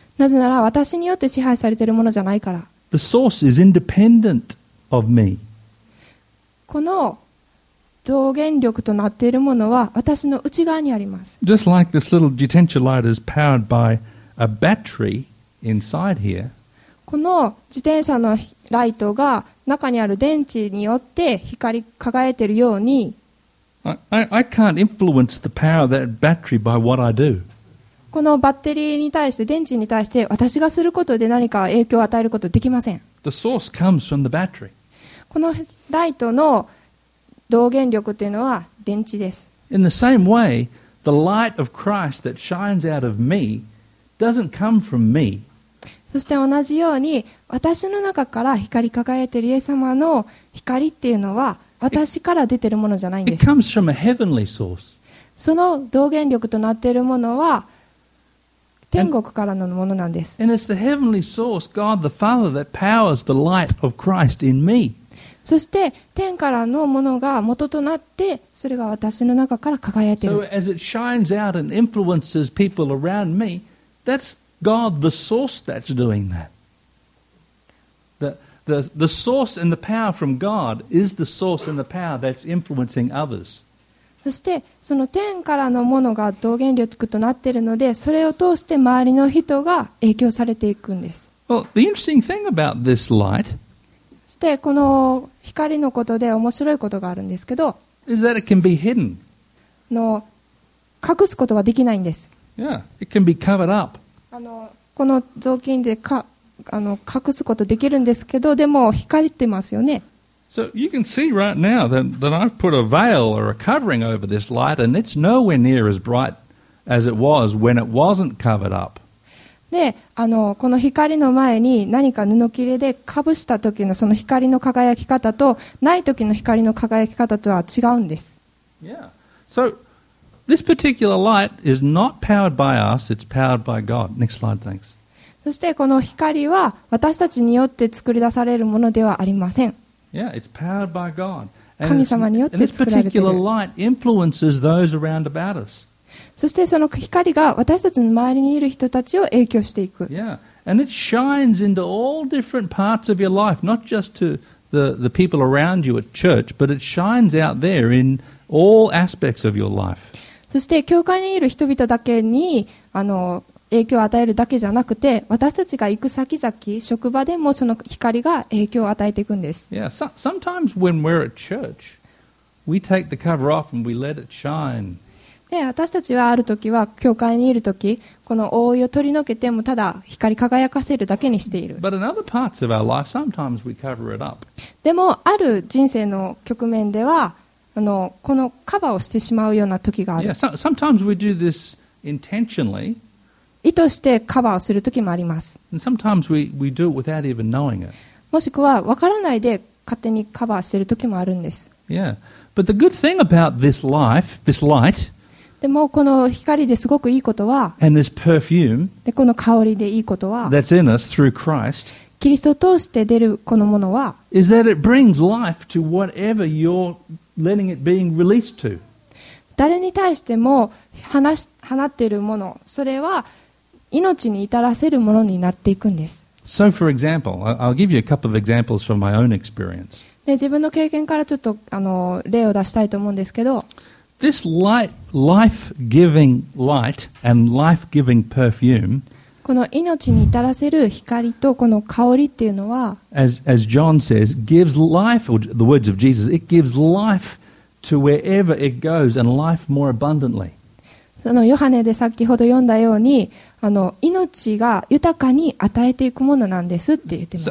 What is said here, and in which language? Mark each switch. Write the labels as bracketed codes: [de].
[ja] なぜなら私によって支配されているものじゃないから。 [en] The source is independent of me. [ja] この増減力となっているものは私の内側にあります。 [en] Just like this little detention light is powered by a battery inside here. [ja] この自転車のライトが中にある電池によって光り輝いているように、 [en] I can't influence the power of that battery by what I do. [ja] このバッテリーに対して電池に対して私がすることで何か影響を与えることできません。 [en] The source comes from the battery. [ja] このライトの動源力というのは電池です。 [en] In the same way, the light of Christ that shines out of me doesn't come from me. [ja] そして同じように私の中から光り輝いているイエス様の光っていうのは私から出ているものじゃないんです。 [en] It comes from a heavenly source. [ja] その動源力となっているものは天国からのものなんです。 [en] And it's the heavenly source, God the Father, that powers the light of Christ in me. [ja] そして天からのものが元となってそれが私の中から輝いている。 [en] So as it shines out and influences people around me, that's God the source that's doing that. The source and the power from God is the source and the power that's influencing others. [ja] そしてその天からのものが動源力となっているのでそれを通して周りの人が影響されていくんです。 [en] Well, the interesting thing about this light, [ja] そしてこの光のことで面白いことがあるんですけど、 [en] is that it can be hidden. [ja] の隠すことができないんです。 [en] Yeah, it can be covered up. [ja] この雑巾でか隠すことできるんですけど、でも光ってますよね。 [en] So you can see right now that I've put a veil or a covering over this light, and it's nowhere near as bright as it was when it wasn't covered up. [ja] でこの光の前に何か布切れでかぶした時のその光の輝き方とない時の光の輝き方とは違うんです。 [en] Yeah. So, this particular light is not powered by us, it's powered by God. Next slide, thanks. [ja] そしてこの光は私たちによって作り出されるものではありません。 [en] Yeah, it's powered by God. [ja] 神様によって作られている。 [en] And this particular light influences those around about us. [ja] そしてその光が私たちの周りにいる人たちを影響していく。 [en] Yeah, and it shines into all different parts of your life, not just to the people around you at church, but it shines out there in all aspects of your life. [ja] そして教会にいる人々だけに影響を与えるだけじゃなくて、私たちが行く先々、職場でもその光が影響を与えていくんです。 [en] Yeah, sometimes when we're at church, we take the cover off and we let it shine. [ja] で私たちはあるときは教会にいるときこの覆いを取り除けてもただ光り輝かせるだけにしている。 [en] But in other parts of our life, sometimes we cover it up. [ja] でもある人生の局面ではこのカバーをしてしまうようなときがある。 [en] Yeah, sometimes we do this intentionally. [ja] 意図してカバーをするときもあります。 [en] And sometimes we do it without even knowing it. [ja] もしくは分からないで勝手にカバーしているときもあるんです。 [en] Yeah, but the good thing about this life, this light. [ja] でもこの光ですごくいいことは [en] And this perfume, [ja] でこの香りでいいことは [en] that's in us through Christ, [ja] キリストを通して出るこのものは [en] is that it brings life to whatever you're letting it being released to. [ja] 誰に対しても放っているものそれは命に至らせるものになっていくんです。 [en] So for example, I'll give you a couple of examples from my own experience. [ja] で自分の経験からちょっと例を出したいと思うんですけど [en] This light, life-giving light and life-giving perfume. [ja] この命に至らせる光とこの香りっていうのは、 [en] as John says, gives life, or the words of Jesus, it gives life to wherever it goes and life more abundantly. [ja] そのヨハネで先ほど読んだように、命が豊かに与えていくものなんですって言ってます。